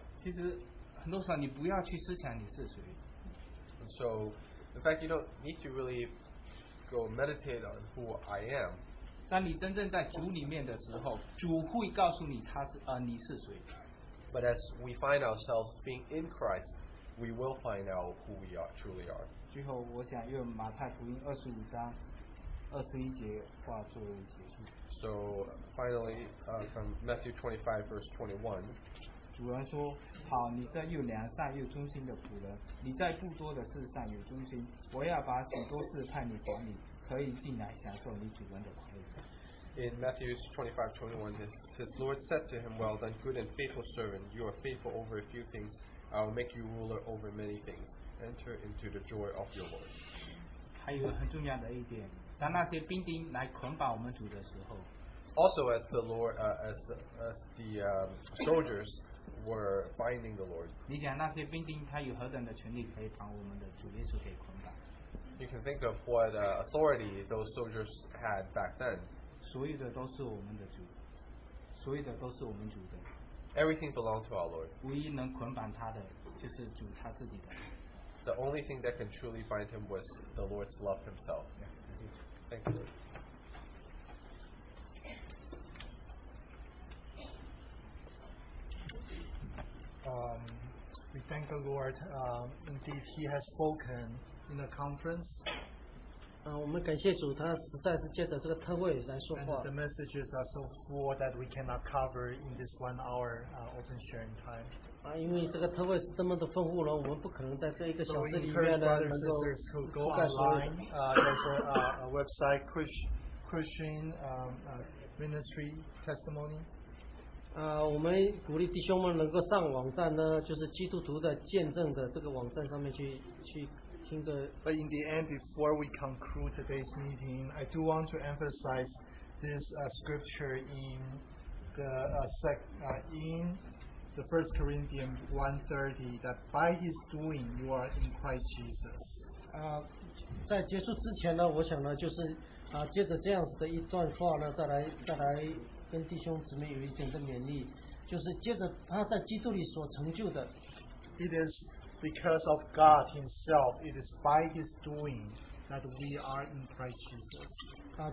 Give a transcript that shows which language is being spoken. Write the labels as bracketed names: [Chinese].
[English] And so, in fact, you don't need to really go meditate on who I am. But as we find ourselves being in Christ, we will find out who we are, truly are. [Chinese] 最后我想用马太福音25章21节话作为结束。 [English] So finally, from Matthew 25, verse 21. [Chinese] 主人说：“好，你这又良善又忠心的仆人，你在不多的事上有忠心，我要把许多事派你管理，可以进来享受你主人的快乐。” [English] In Matthew 25:21, his Lord said to him, "Well done, good and faithful servant. You are faithful over a few things. I will make you ruler over many things. Enter into the joy of your Lord." [Chinese] 还有很重要的一点。当那些兵丁来捆绑我们主的时候 [English] ，Also as the Lord, soldiers were binding the Lord. [Chinese] 你想那些兵丁他有何等的权力可以把我们的主耶稣给捆绑 [English] ？You can think of what authority those soldiers had back then. [Chinese] 所有的都是我们的主，所有的都是我们主的。 [English] Everything belonged to our Lord. [Chinese] 唯一能捆绑他的就是主他自己的。 [English] The only thing that can truly bind him was the Lord's love himself. Thank you. We thank the Lord. Indeed, He has spoken in the conference. [Chinese] 我们感谢主，他实在是借着这个特会来说话。 [English] And the messages are so full that we cannot cover in this 1 hour open sharing time. [Chinese] 因为这个特会是这么的丰富了，我们不可能在这一个小时里面呢，能够覆盖所有的。 [English] So we encourage brothers and sisters who go online, there's a website, Christian ministry testimony. [Chinese] 我们鼓励弟兄们能够上网站呢，就是基督徒的见证的这个网站上面去。 [English] But in the end, before we conclude today's meeting, I do want to emphasize this scripture in the in the 1 Corinthians 1:30 that by his doing you are in Christ Jesus. [Chinese] 在结束之前呢，我想呢，就是啊，借着这样子的一段话呢，再来跟弟兄姊妹有一点的勉励，就是借着他在基督里所成就的。 [English] It is because of God Himself. It is by His doing that we are in Christ Jesus.